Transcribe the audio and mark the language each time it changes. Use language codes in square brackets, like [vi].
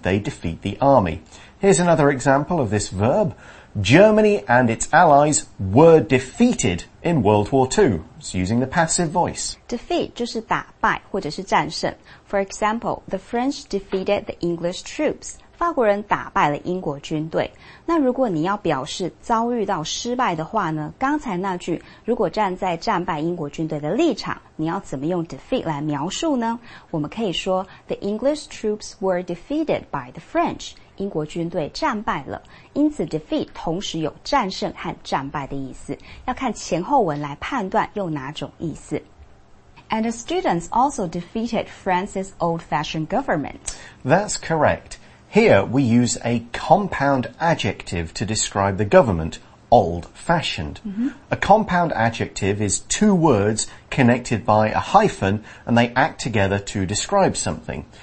[en] They defeat the army. Here's another example of this verb. Germany and its allies were defeated in World War II. It's using the passive voice. [zh] Defeat 就是打败或者是战胜。 [en] For example, the French defeated the English troops. [zh] 法国人打败了英国军队。那如果你要表示遭遇到失败的话呢？刚才那句，如果站在战败英国军队的立场，你要怎么用 defeat 来描述呢？我们可以说 [en] the English troops were defeated by the French. [zh] 英国军队战败了，因此 defeat 同时有战胜和战败的意思，要看前后文来判断用哪种意思。 [en] And the students also defeated France's old-fashioned government. That's correct. Here we use a compound adjective to describe the government, old-fashioned. A compound adjective is two words connected by a hyphen and they act together to describe something.